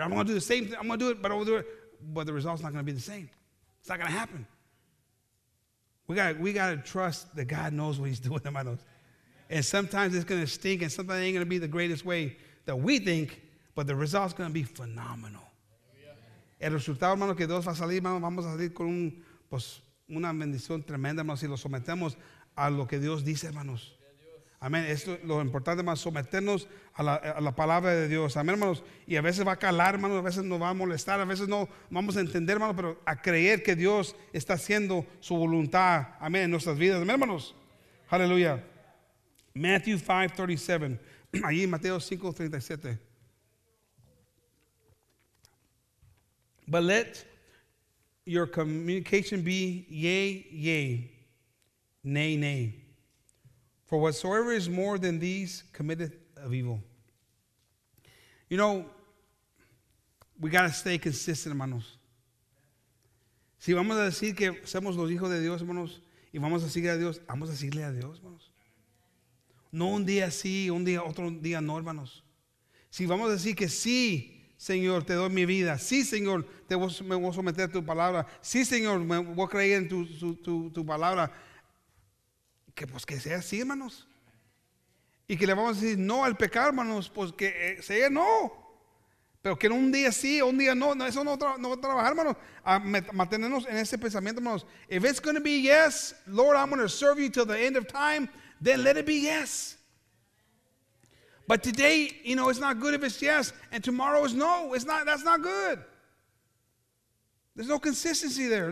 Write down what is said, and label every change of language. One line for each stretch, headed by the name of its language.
English: I'm going to do the same thing. I'm going to do it, but I'll do it. But the result's not going to be the same. It's not going to happen. We got to trust that God knows what he's doing. Hermanos. And sometimes it's going to stink and sometimes it ain't going to be the greatest way that we think, but the result's going to be phenomenal. Yeah.
Spanish: el resultado, hermano, que Dios va a salir, hermano, vamos a salir con un, pues, una bendición tremenda, hermano, si lo sometemos a lo que Dios dice, hermanos. Amén. Esto es lo importante, hermano, someternos a la palabra de Dios. Amén, hermanos. Y a veces va a calar, hermano, a veces nos va a molestar, a veces no vamos a entender, hermano, pero a creer que Dios está haciendo su voluntad, amén, en nuestras vidas. Amén, hermanos. Aleluya. Matthew 5:37. Allí Mateo 5:37.
English: But let your communication be yea, yea, nay, nay. For whatsoever is more than these committeth of evil. You know, we got to stay consistent, hermanos.
Spanish: Si vamos a decir que somos los hijos de Dios, hermanos, y vamos a seguir a Dios, vamos a seguirle a Dios, hermanos. No un día sí, un día otro día no, hermanos. Si vamos a decir que sí, Señor, te doy mi vida. Sí, Señor, me voy a someter a tu palabra. Sí, Señor, me voy a creer en tu palabra. Que pues que sea así, hermanos. Y que le vamos a decir no al pecado, hermanos. Pues que sea no. Pero que en un día sí, un día no. No, eso no va a trabajar, hermanos. A mantenernos en ese pensamiento, hermanos.
English: If it's going to be yes, Lord, I'm going to serve you till the end of time, then let it be yes. But today, you know, it's not good if it's yes, and tomorrow is no. It's not, that's not good. There's no consistency there.